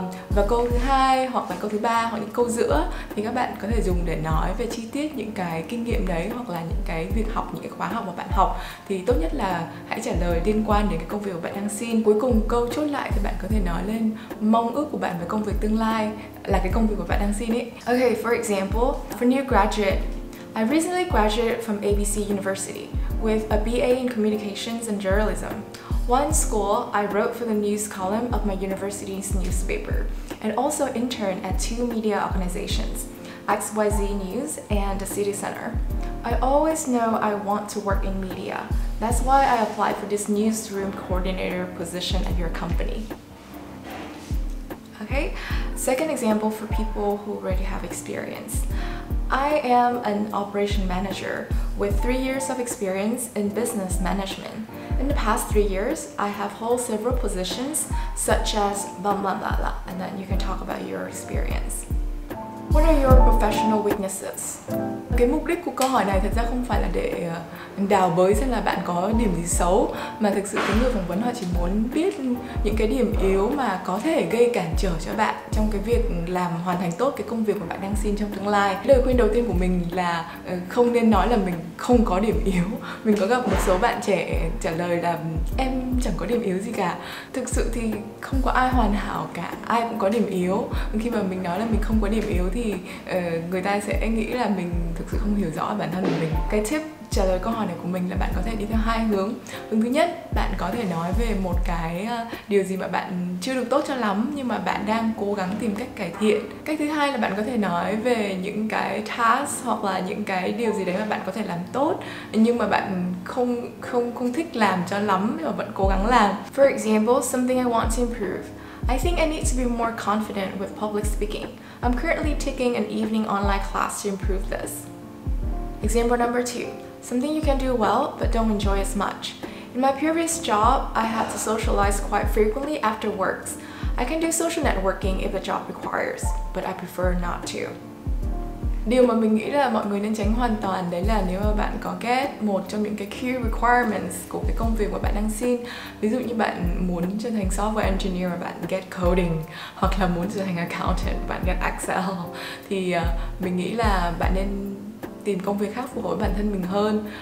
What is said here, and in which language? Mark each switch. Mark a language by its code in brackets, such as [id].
[vi] Và câu thứ hai hoặc là câu thứ ba hoặc những câu giữa thì các bạn có thể dùng để nói về chi tiết những cái kinh nghiệm đấy hoặc là những cái việc học, những cái khóa học mà bạn học. Thì tốt nhất là hãy trả lời liên quan đến cái công việc của bạn đang xin. Cuối cùng câu chốt lại thì bạn có thể nói lên mong ước của bạn về công việc tương lai là cái công việc của bạn đang xin ấy. [en] Okay, for example, for new graduate, I recently graduated from ABC University with a BA in Communications and Journalism. One school, I wrote for the news column of my university's newspaper and also interned at two media organizations, XYZ News and the City Center. I always know I want to work in media. That's why I applied for this newsroom coordinator position at your company. Okay, second example for people who already have experience. I am an operation manager with 3 years of experience in business management. In the past 3 years, I have held several positions such as blah blah blah blah, and then you can talk about your experience. What are your professional weaknesses? [vi] Cái mục đích của câu hỏi này thật ra không phải là để đào bới xem là bạn có điểm gì xấu, mà thực sự cái người phỏng vấn họ chỉ muốn biết những cái điểm yếu mà có thể gây cản trở cho bạn trong cái việc làm hoàn thành tốt cái công việc mà bạn đang xin trong tương lai. Lời khuyên đầu tiên của mình là không nên nói là mình không có điểm yếu. Mình có gặp một số bạn trẻ trả lời là em chẳng có điểm yếu gì cả. Thực sự thì không có ai hoàn hảo cả, ai cũng có điểm yếu. Khi mà mình nói là mình không có điểm yếu thì người ta sẽ nghĩ là mình thực sự không hiểu rõ bản thân của mình. Cái tip trả lời câu hỏi này của mình là bạn có thể đi theo hai hướng. Hướng thứ nhất, bạn có thể nói về một cái điều gì mà bạn chưa được tốt cho lắm nhưng mà bạn đang cố gắng tìm cách cải thiện. Cách thứ hai là bạn có thể nói về những cái task hoặc là những cái điều gì đấy mà bạn có thể làm tốt nhưng mà bạn không thích làm cho lắm mà vẫn cố gắng làm. [en] For example, something I want to improve. I think I need to be more confident with public speaking. I'm currently taking an evening online class to improve this. Example number two. Something you can do well but don't enjoy as much. In my previous job, I had to socialize quite frequently after works. I can do social networking if the job requires, but I prefer not to. [vi] Điều mà mình nghĩ là mọi người nên tránh hoàn toàn đấy là nếu mà bạn có get một trong những cái key requirements của cái công việc mà bạn đang xin. Ví dụ như bạn muốn trở thành software engineer và bạn get coding, hoặc là muốn trở thành accountant bạn get Excel, thì mình nghĩ là bạn nên tìm công việc khác phù hợp với bản thân mình hơn.